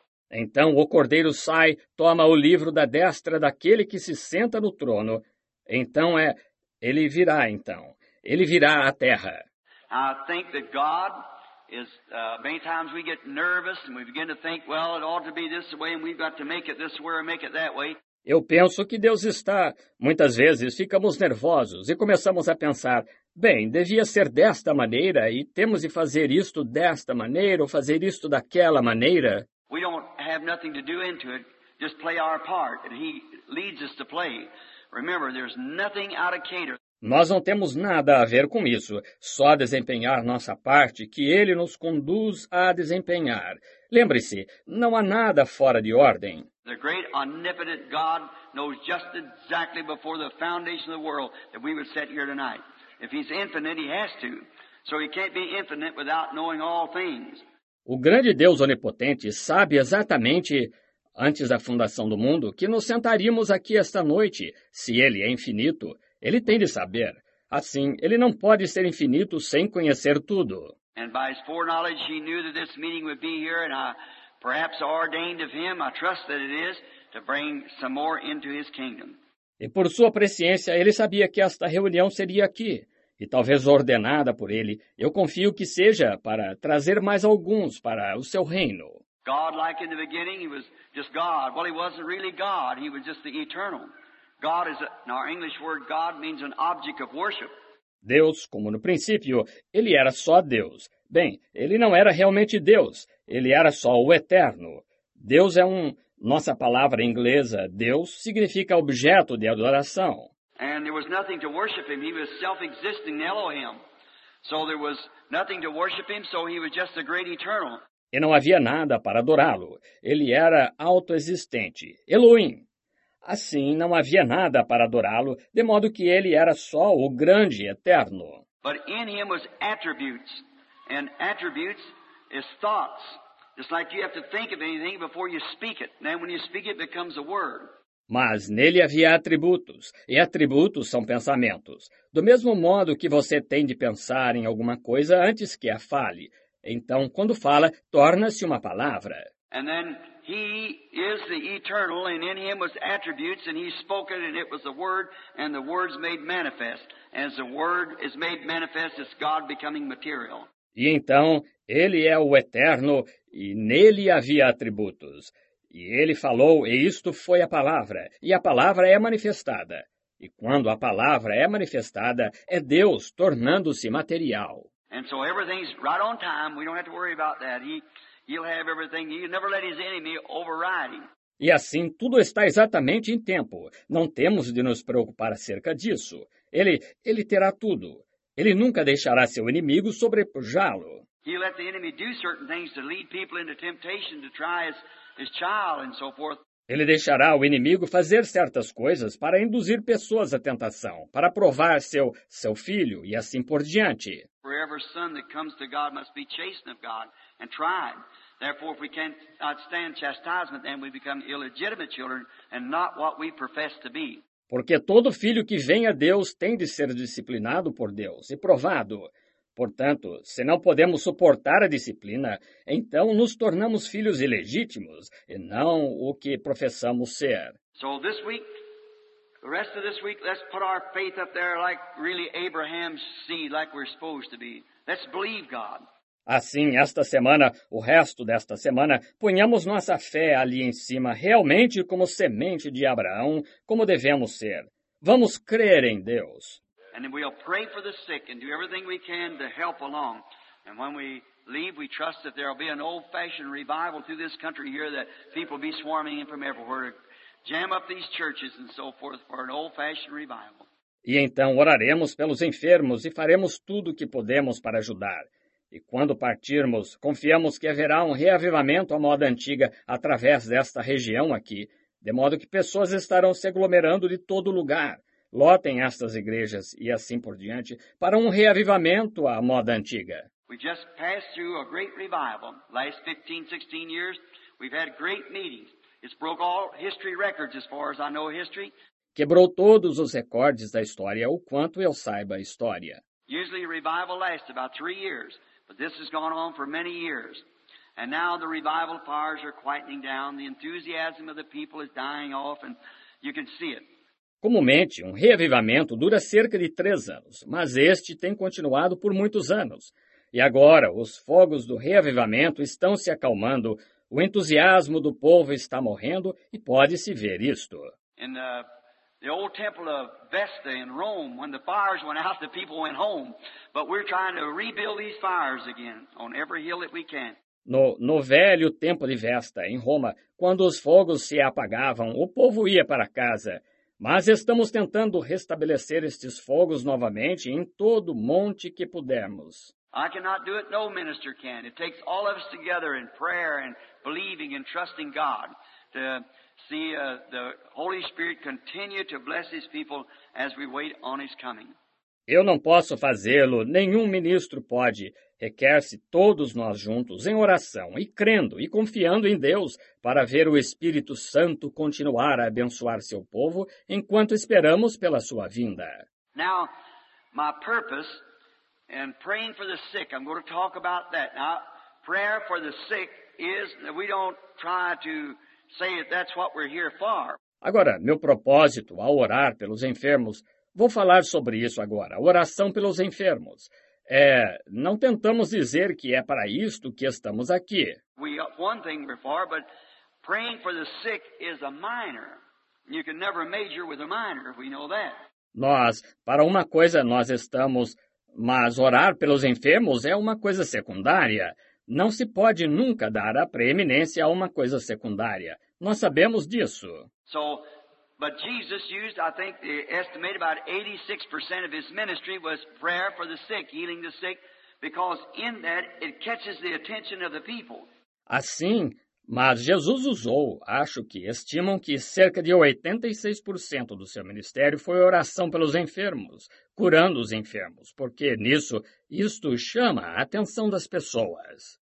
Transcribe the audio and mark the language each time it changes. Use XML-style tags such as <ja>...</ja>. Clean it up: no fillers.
<pt>Então o Cordeiro sai, toma o livro da destra daquele que se senta no trono. Então é, ele virá então. Ele virá à terra.</pt> <en>I think that God is, many times we get nervous and we begin to think, well, it ought to be this way and we've got to make it this way or make it that way.</en> <pt>Eu penso que Deus está. Muitas vezes ficamos nervosos e começamos a pensar, bem, devia ser desta maneira e temos de fazer isto desta maneira ou fazer isto daquela maneira.</pt> <en>We don't have nothing to do into it, just play our part and he leads us to play. Remember, there's nothing out of cater.</en> <pt>Nós não temos nada a ver com isso, só desempenhar nossa parte que ele nos conduz a desempenhar. Lembre-se, não há nada fora de ordem.</pt> <en>The great omnipotent God knows just exactly before the foundation of the world that we would sit here tonight. If he's infinite, he has to. So he can't be infinite without knowing all things.</en> <pt>O grande Deus onipotente sabe exatamente antes da fundação do mundo que nos sentaríamos aqui esta noite. Se ele é infinito, ele tem de saber. Assim, ele não pode ser infinito sem conhecer tudo.</pt> <en>And by his foreknowledge he knew that this meeting would be here and perhaps ordained of him, I trust that it is, to bring some more into his kingdom.</en> <pt>E por sua presciência, ele sabia que esta reunião seria aqui, e talvez ordenada por ele, eu confio que seja para trazer mais alguns para o seu reino.</pt> <en>God, like in the beginning, he was just God. Well, he wasn't really God, he was just the eternal. God is, in our English word, God means an object of worship.</en> <pt>Deus, como no princípio, ele era só Deus. Bem, ele não era realmente Deus, ele era só o Eterno. Deus é um... Nossa palavra inglesa, Deus, significa objeto de adoração.</pt> <en>And there was nothing to worship him, he was self-existing Elohim. So there was nothing to worship him, so he was just the great eternal.</en> <pt>E não havia nada para adorá-lo, ele era autoexistente, Elohim. Assim, não havia nada para adorá-lo, de modo que ele era só o grande eterno.</pt> <en>But in him was attributes, and attributes is thoughts. It's like you have to think of anything before you speak it. Then when you speak it, it becomes a word.</en> <pt>Mas nele havia atributos, e atributos são pensamentos. Do mesmo modo que você tem de pensar em alguma coisa antes que a fale. Então, quando fala, torna-se uma palavra.</pt> <en>And then he is the eternal, and in him was attributes, and he spoke it, and it was a word, and the words made manifest. As the word is made manifest, it's God becoming material.</en> <pt>E então, ele é o eterno, e nele havia atributos. E ele falou, e isto foi a palavra, e a palavra é manifestada. E quando a palavra é manifestada, é Deus tornando-se material.</pt> <en>And so everything's right on time, we don't have to worry about that. He'll have everything, he'll never let his enemy override him.</en> <pt>E assim, tudo está exatamente em tempo. Não temos de nos preocupar acerca disso. Ele terá tudo. Ele nunca deixará seu inimigo sobrepujá-lo.</pt> <en>He'll let the enemy do certain things to lead people into temptation to try his child and so forth.</en> <pt>Ele deixará o inimigo fazer certas coisas para induzir pessoas à tentação, para provar seu filho e assim por diante.</pt> <en>For every son that comes to God must be chastened of God and tried. Therefore, if we can't stand chastisement, then we become illegitimate children and not what we profess to be.</en> <pt>Porque todo filho que vem a Deus tem de ser disciplinado por Deus e provado. Portanto, se não podemos suportar a disciplina, então nos tornamos filhos ilegítimos e não o que professamos ser.</pt> <en>So this week, the rest of this week, let's put our faith up there like really Abraham's seed, like we're supposed to be. Let's believe God.</en> <pt>Assim, esta semana, o resto desta semana, ponhamos nossa fé ali em cima, realmente como semente de Abraão, como devemos ser. Vamos crer em Deus.</pt> <en>And then we'll pray for the sick and do everything we can to help along. And when we leave, we trust that there'll be an old-fashioned revival through this country here that people be swarming in from everywhere to jam up these churches and so forth for an old-fashioned revival.</en> <pt>E então oraremos pelos enfermos e faremos tudo o que podemos para ajudar. E quando partirmos, confiamos que haverá um reavivamento à moda antiga através desta região aqui, de modo que pessoas estarão se aglomerando de todo lugar, lotem estas igrejas e assim por diante, para um reavivamento à moda antiga.</pt> <en>We just passed through a great revival. Last 15, 16 years, we've had great meetings. It's broke all history records as far as I know history.</en> <pt>Quebrou todos os recordes da história, o quanto eu saiba a história.</pt> <en>Usually revival lasts about 3 years. But this has gone on for many years. And now the revival fires are quietening down. The enthusiasm of the people is dying off, and you can see it.</en> <pt>Comumente, reavivamento dura cerca de 3 anos, mas este tem continuado por muitos anos. E agora, os fogos do reavivamento estão se acalmando, o entusiasmo do povo está morrendo e pode-se ver isto.</pt> <en>In the old temple of Vesta in Rome, when the fires went out, the people went home. But we're trying to rebuild these fires again on every hill that we can.</en> <pt>No velho templo de Vesta, em Roma, quando os fogos se apagavam, o povo ia para casa. Mas estamos tentando restabelecer estes fogos novamente em todo monte que pudermos.</pt> <en>I cannot do it, no minister can. It takes all of us together in prayer and believing and trusting God to see the Holy Spirit continue to bless his people as we wait on his coming.</en> <pt>Eu não posso fazê-lo, nenhum ministro pode. Requer-se todos nós juntos em oração e crendo e confiando em Deus para ver o Espírito Santo continuar a abençoar seu povo enquanto esperamos pela sua vinda.</pt> <en>Now, my purpose and praying for the sick, I'm going to talk about that. Now, prayer for the sick is, we don't try to say that that's what we're here for.</en> <pt>Agora, meu propósito ao orar pelos enfermos, vou falar sobre isso agora, oração pelos enfermos. Não tentamos dizer que é para isto que estamos aqui.</pt> <en>One thing we're for, but praying for the sick is a minor. You can never major with a minor, we know that.</en> <pt>Nós, para uma coisa nós estamos, mas orar pelos enfermos é uma coisa secundária. Não se pode nunca dar a preeminência a uma coisa secundária. Nós sabemos disso.</pt> <en>So, but Jesus used, I think, the estimate about 86% of his ministry was prayer for the sick, healing the sick, because in that it catches the attention of the people.</en> <pt>Assim, mas Jesus usou, acho que estimam que cerca de 86% do seu ministério foi oração pelos enfermos, curando os enfermos, porque nisso, isto chama a atenção das pessoas.</pt>